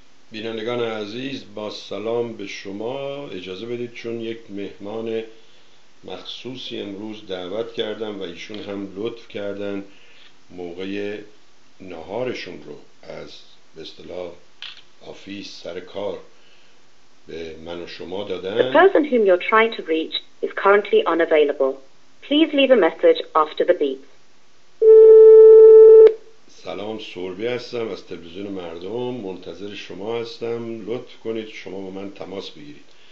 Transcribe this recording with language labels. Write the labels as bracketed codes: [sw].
[fa] بینندگان عزیز با سلام به شما، اجازه بدید چون یک مهمان مخصوصی امروز دعوت کردم و ایشون هم لطف کردن موقع نهارشون رو از به اصطلاح آفیس سر کار به من و شما دادن. [en] The person whom you're trying to reach is currently unavailable. Please leave a message after the beep. [fa] سلام، سوربی هستم از تلویزیون مردم، منتظر شما هستم، لطف کنید شما با من تماس بگیرید.